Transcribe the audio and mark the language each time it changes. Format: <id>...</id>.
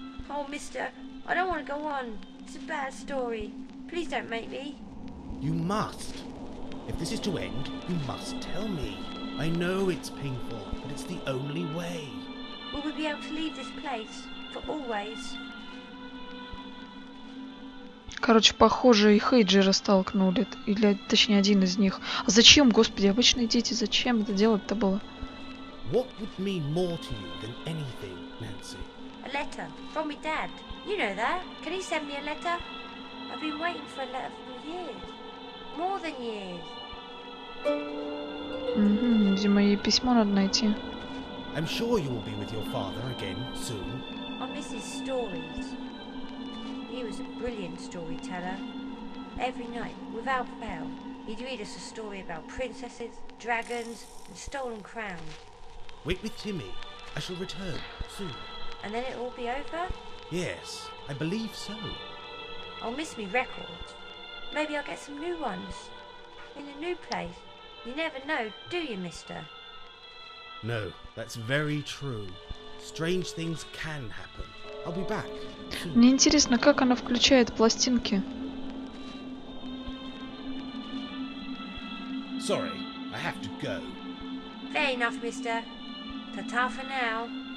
<en>Oh, mister, I don't want to go on. It's a bad story. Please don't make me. You must. If this is to end, you must tell me. I know it's painful, but it's the only way. Will we be able to leave this place for always?</en> <ru>Короче, похоже, и Хейджера столкнули, или, точнее, один из них. А зачем, господи, обычные дети, зачем это делать-то было?</ru> <en>What would mean more to you than anything, Nancy? A letter from my dad. You know that. Can he send me a letter? I've been waiting for a letter for years. More than years.</en> <ru>Видимо, ей письмо надо найти.</ru> <en>I'm sure you will be with your father again soon. I miss his stories. He was a brilliant storyteller. Every night, without fail, he'd read us a story about princesses, dragons, and stolen crowns. Wait with Timmy. I shall return soon. And then it'll all be over? Yes, I believe so. I'll miss me records. Maybe I'll get some new ones. In a new place. You never know, do you, mister? No, that's very true. Strange things can happen. I'll be back.</en> <ru>Мне интересно, как она включает пластинки.</ru> <en>Sorry, I have to go. Fair enough, mister. Ta-ta for now.</en>